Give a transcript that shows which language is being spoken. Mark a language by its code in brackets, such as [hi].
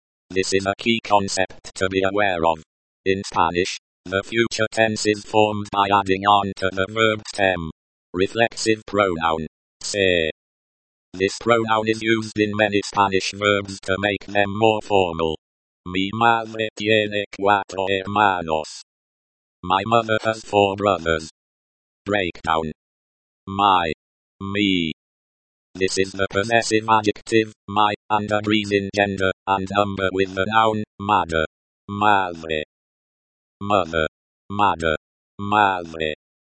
[en] This is a key concept to be aware of. In Spanish, the future tense is formed by adding on to the verb stem. Reflexive pronoun. Se. This pronoun is used in many Spanish verbs to make them more formal. [es] Mi madre tiene cuatro hermanos. [en] My mother has four brothers. Breakdown. My. Me. This is the possessive adjective, my, and agrees in gender and number with the noun, madre. [es] Madre. Mother. Madre. Madre.